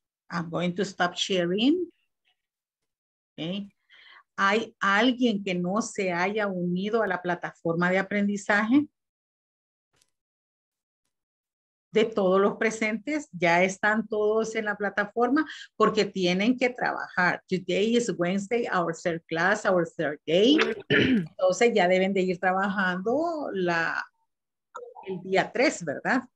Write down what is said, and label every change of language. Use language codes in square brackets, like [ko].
[en] I'm going to stop sharing. Okay. [es] ¿Hay alguien que no se haya unido a la plataforma de aprendizaje? de todos los presentes, ya están todos en la plataforma porque tienen que trabajar. [en] Today is Wednesday, our third class, our third day. [es] Entonces ya deben de ir trabajando el día 3, ¿verdad?